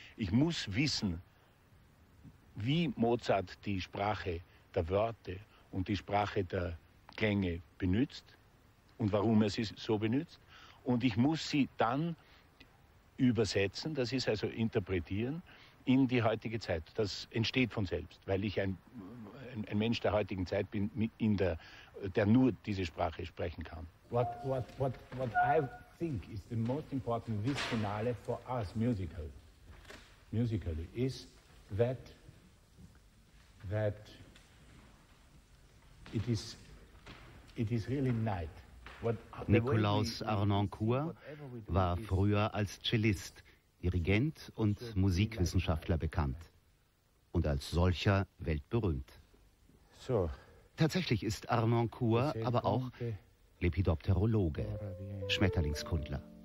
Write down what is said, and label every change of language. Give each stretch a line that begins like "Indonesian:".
German: Ich muss wissen, wie Mozart die Sprache der Worte und die Sprache der Klänge benutzt und warum er sie so benutzt. Und ich muss sie dann übersetzen, das ist also interpretieren, in die heutige Zeit. Das entsteht von selbst, weil ich ein Mensch der heutigen Zeit bin, der nur diese Sprache sprechen kann.
English: What I think is the most important this finale for us musically is that it is really night.
German: Nikolaus Arnoncourt war früher als Cellist, Dirigent und Musikwissenschaftler bekannt und als solcher weltberühmt. So. Tatsächlich ist Arnoncourt aber auch Lepidopterologe, Schmetterlingskundler.